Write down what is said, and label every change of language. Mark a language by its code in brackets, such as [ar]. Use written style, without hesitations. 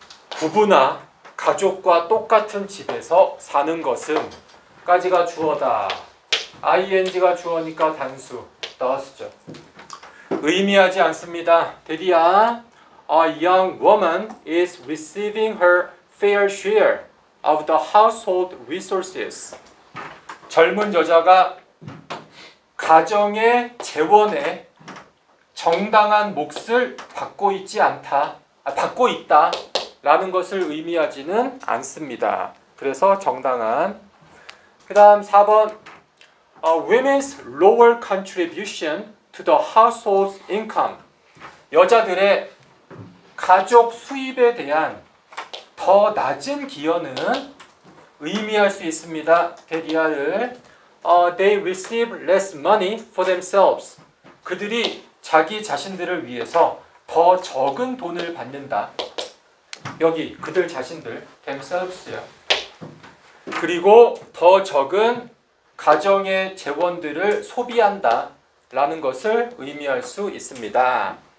[ko] 부부나 가족과 똑같은 집에서 사는 것은 까지가 주어다. ing가 주어니까 단수 나왔었죠. 의미하지 않습니다. [en] 대디야, a young woman is receiving her fair share of the household resources. [ko] 젊은 여자가 가정의 재원에 정당한 몫을 받고 있지 않다, 받고 있다 라는 것을 의미하지는 않습니다. 그래서 정당한. 그 다음 4번, [en] a women's lower contribution to the household's income. [ko] 여자들의 가족 수입에 대한 더 낮은 기여는 의미할 수 있습니다. 대디아를. [en] They receive less money for themselves. [ko] 그들이 자기 자신들을 위해서 더 적은 돈을 받는다. 여기 그들 자신들, themselves요. 그리고 더 적은 가정의 재원들을 소비한다 라는 것을 의미할 수 있습니다.